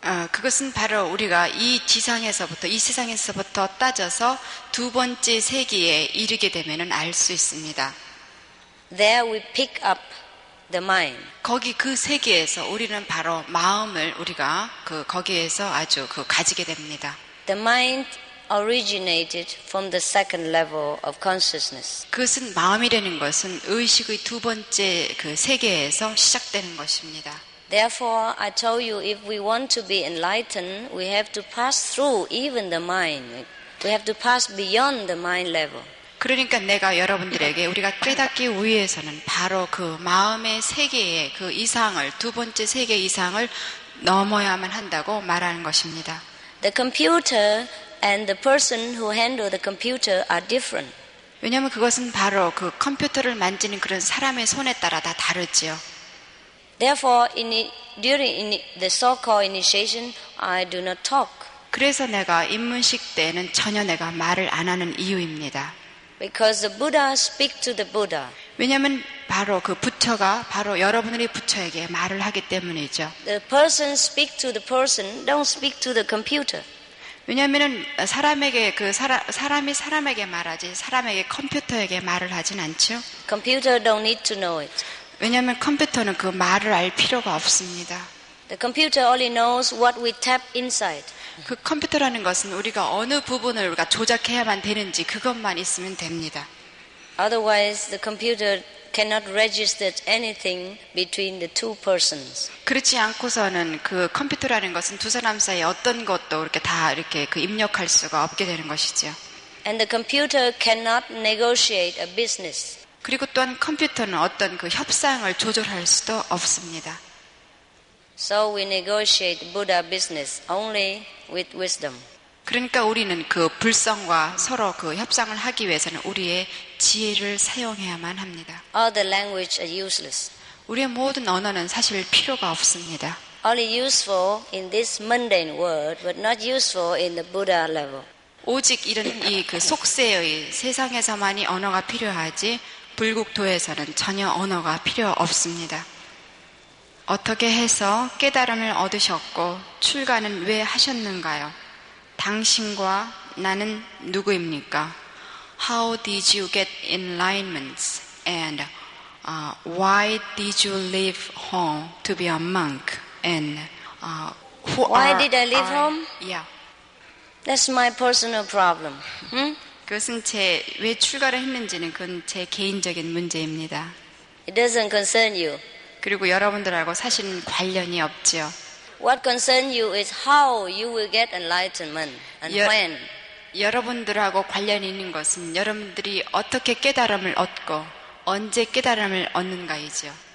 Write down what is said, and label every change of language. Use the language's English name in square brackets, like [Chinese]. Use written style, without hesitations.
[Korean] 그것은 바로 우리가 이 지상에서부터 이 세상에서부터 따져서 두 번째 세계에 이르게 되면은 알 수 있습니다. [English] There we pick up the mind. [Korean] 거기 그 세계에서 우리는 바로 마음을 우리가 그 거기에서 아주 그 가지게 됩니다. [English] The mind originated from the second level of consciousness. [Korean] 그것은 마음이라는 것은 의식의 두 번째 그 세계에서 시작되는 것입니다. [English] Therefore, I tell you, if we want to be enlightened, we have to pass through even the mind. We have to pass beyond the mind level. [Korean] 그러니까 내가 여러분들에게 우리가 깨닫기 위해서는 바로 그 마음의 세계의 그 이상을 두 번째 세계 이상을 넘어야만 한다고 말하는 것입니다. [English] The computer and the person who handle the computer are different. [Korean] 왜냐하면 그것은 바로 그 컴퓨터를 만지는 그런 사람의 손에 따라 다 다르지요. [English] Therefore, during the so-called initiation, I do not talk. [Korean] 그래서 내가 입문식 때는 전혀 내가 말을 안 하는 이유입니다. [English] Because the Buddha speaks to the Buddha. [Korean] 왜냐하면 바로 그 부처가 바로 여러분들이 부처에게 말을 하기 때문이죠. [English] The person speaks to the person, don't speak to the computer. [Korean] 왜냐하면은 사람에게 그 사람이 사람에게 말하지 사람에게 컴퓨터에게 말을 하진 않죠. [English] Computer don't need to know it. [Korean] 왜냐하면 컴퓨터는 그 말을 알 필요가 없습니다. [English] The computer only knows what we tap inside. [Korean] 그 컴퓨터라는 것은 우리가 어느 부분을 우리가 조작해야만 되는지 그것만 있으면 됩니다. [English] Otherwise, the computer cannot register anything between the two persons. [Korean] 그렇지 않고서는 그 컴퓨터라는 것은 두 사람 사이 어떤 것도 이렇게 다 이렇게 그 입력할 수가 없게 되는 것이죠. [English] And the computer cannot negotiate a business. [Korean] 그리고 또한 컴퓨터는 어떤 그 협상을 조절할 수도 없습니다. [English] So we negotiate Buddha business only with wisdom. [Korean] 그러니까 우리는 그 불성과 서로 그 협상을 하기 위해서는 우리의 지혜를 사용해야만 합니다. [English] Other language are useless. [Korean] 우리의 모든 언어는 사실 필요가 없습니다. [English] Only useful in this mundane world, but not useful in the Buddha level. [Korean] 오직 이런 이 그 속세의 세상에서만이 언어가 필요하지. 불국도에서는 전혀 언어가 필요 없습니다. 어떻게 해서 깨달음을 얻으셨고 출가는 왜 하셨는가요? 당신과 나는 누구입니까? [English] How did you get enlightenment and why did you leave home to be a monk and who why are Why did I leave I? home? Yeah. That's my personal problem. Hmm? [Korean] 그것은 제 왜 출가를 했는지는 그건 제 개인적인 문제입니다. [English] It doesn't concern you. [Korean] 그리고 여러분들하고 사실은 관련이 없지요. [English] What concerns you is how you will get enlightenment and when. [Korean] 여러분들하고 관련이 있는 것은 여러분들이 어떻게 깨달음을 얻고 언제 깨달음을 얻는가이지요.